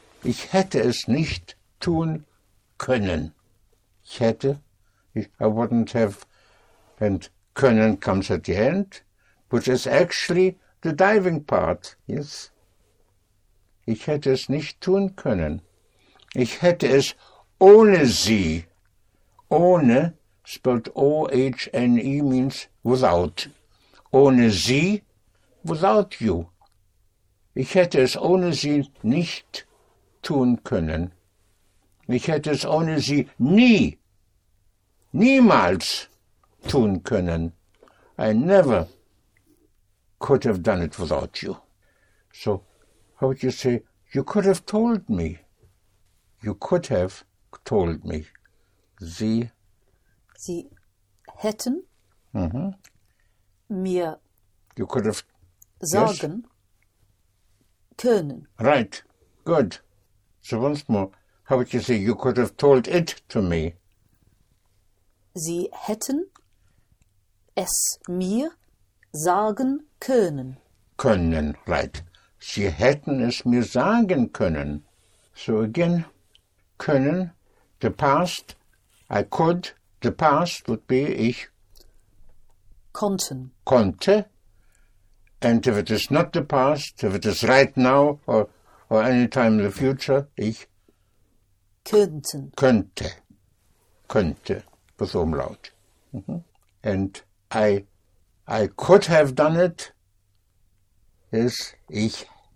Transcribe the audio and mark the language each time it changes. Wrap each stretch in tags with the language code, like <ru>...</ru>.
<de>Ich hätte es nicht tun können. Ich hätte,</de> <en>I wouldn't have, and können comes at the end, which is actually the diving part, yes?</en> <de>Ich hätte es nicht tun können. Ich hätte es ohne sie. Ohne,</de> <en>spelled O-H-N-E, means without.</en> <de>Ohne sie,</de> <en>without you.</en> <de>Ich hätte es ohne sie nicht tun können. Ich hätte es ohne sie nie, niemals tun können.</de> <en>I never could have done it without you. So, how would you say, you could have told me? You could have told me.</en> <de>Sie. Sie hätten mir</de> <en>You could have. Yes?</en> <de>sagen können.</de> <en>Right. Good. So once more, how would you say, you could have told it to me?</en> <de>Sie hätten es mir sagen können. Können,</de> <en>right.</en> <de>Sie hätten es mir sagen können.</de> <en>So again, können, the past, I could, the past would be ich</en> <de>Konnten.</de> <en>konnte. And if it is not the past, if it is right now or any time in the future, ich</en> <de>Könnten. könnte, könnte,</de> <en>with umlaut. And I could have done it is ich.</en>